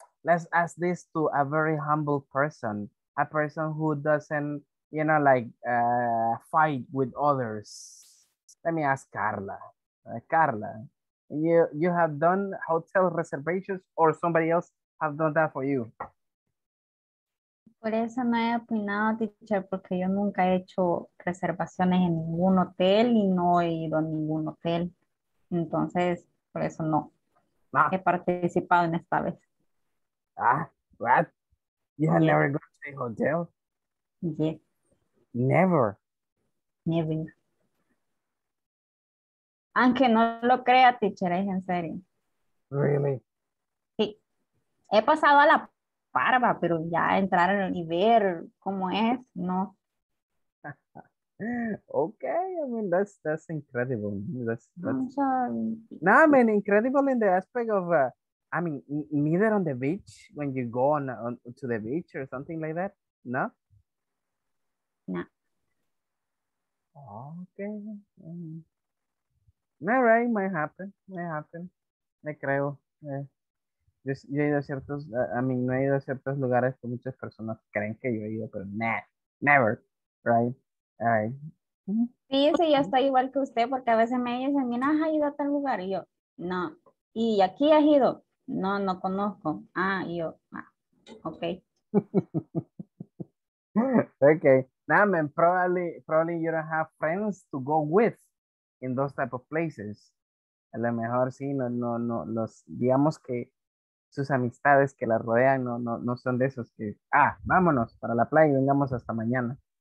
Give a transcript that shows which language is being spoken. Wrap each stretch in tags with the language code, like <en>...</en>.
<en>Let's ask this to a very humble person. A person who doesn't, you know, like fight with others. Let me ask Carla. Carla, you have done hotel reservations or somebody else have done that for you?</en> <es>Por eso no he opinado, teacher, porque yo nunca he hecho reservaciones en ningún hotel y no he ido a ningún hotel. Entonces, por eso no he participado en esta vez.</es> <en>Ah, what? You have never gone to a hotel? Yes. Never? Never.</en> <es>Aunque no lo crea, teacher, es en serio.</es> <en>Really?</en> <es>Sí. He pasado a la parva, pero ya entrar y ver cómo es, no.</es> <en>Okay, I mean that's incredible. That's not, I mean, incredible in the aspect of I mean, neither on the beach when you go on to the beach or something like that. No. No. Okay. All right, might happen.</en> <es>Me creo. Just, yo he ido a ciertos,</es> <en>I mean,</en> <es>no he ido a ciertos lugares que muchas personas creen que yo he ido, pero never, right?</es> <en>All right.</en> <es>Sí, sí, yo estoy igual que usted, porque a veces me dicen, mira, ¿has ido a tal lugar? Y yo, no. ¿Y aquí has ido? No, no conozco. Ah, y yo, ah, ok.</es> <en>Ok. Now, man, probably you don't have friends to go with in those type of places.</en> <es>A lo mejor sí, no, los, digamos que sus amistades que la rodean no son de esos que, ah, vámonos para la playa y vengamos hasta mañana.</es>